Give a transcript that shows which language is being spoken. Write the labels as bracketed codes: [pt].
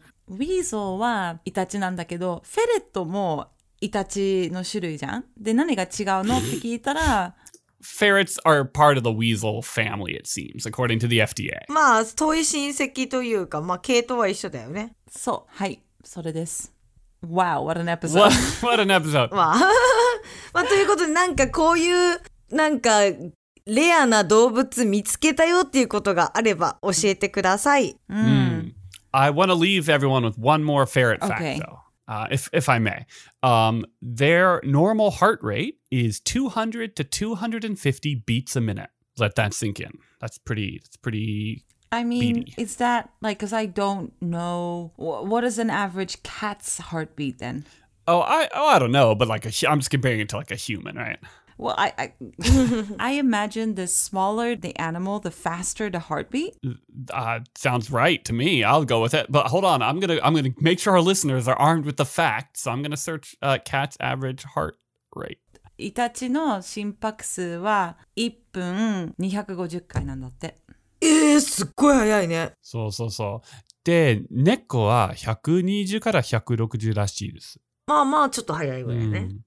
[ja] Weasel はイタチなんだけど、フェレットもイタチの種類じゃん。で、何が違うのって聞いたら、 [en] ferrets are part of the weasel family, it seems, according to the FDA. [ja] まあ、遠い親戚というか、まあ、系統は一緒だよね。そう、はい、それです。 [en] Wow, what an episode. What an episode. [ja] まあ、ということで、なんかこういう、なんか、レアな動物見つけたよっていうことがあれば教えてください。 [en] I want to leave everyone with one more ferret fact, though, if I may. Their normal heart rate is 200 to 250 beats a minute. Let that sink in. That's pretty... I mean, beady. Is that, like, because I don't know, what is an average cat's heartbeat then? Oh, I don't know, but like, I'm just comparing it to like a human, right? Well, I imagine the smaller the animal, the faster the heartbeat. Sounds right to me. I'll go with it. But hold on, I'm gonna make sure our listeners are armed with the facts. So I'm going to search cat's average heart rate. [ja] イタチの心拍数は1分250回なんだって。すっごい早いね。そうそうそう。で、猫は120から160らしいです。まあまあ、ちょっと早いぐらいね。